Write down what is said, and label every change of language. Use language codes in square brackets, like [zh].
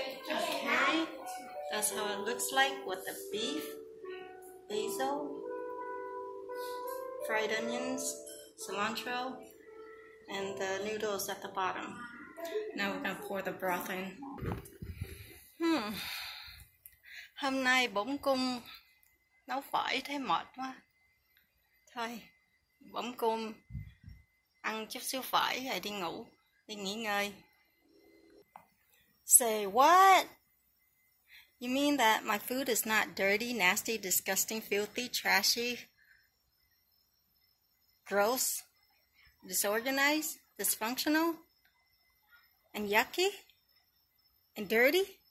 [en] Okay, that's how it looks like with the beef, basil, fried onions, cilantro, and the noodles at the bottom. Now we're gonna pour the broth in. [vi] Hôm nay bổng cung nấu phở thấy mệt quá. Thôi, bổng cung ăn chút xíu phở rồi đi ngủ, đi nghỉ ngơi. [en] Say what? You mean that my food is not dirty, nasty, disgusting, filthy, trashy, gross, disorganized, dysfunctional, and yucky, and dirty?